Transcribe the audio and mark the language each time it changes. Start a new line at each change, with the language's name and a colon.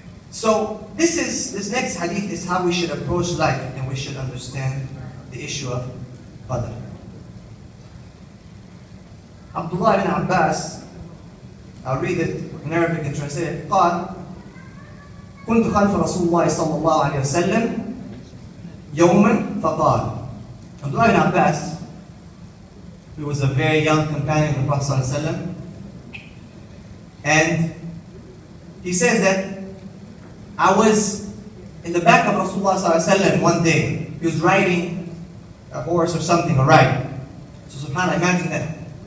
English: So this next hadith is how we should approach life and we should understand the issue of qadr. Abdullah ibn Abbas, I'll read it in Arabic and translate it.
Arabic: قال كنت خلف رسول الله صلى الله عليه وسلم يوما فقال.
English: Abdullah ibn Abbas, he was a very young companion of the Prophet sallallahu alaihi wasallam, and he says that I was in the back of Rasulullah sallallahu alaihi wasallam one day. He was riding a horse or something, a ride. So subhanAllah, imagine that.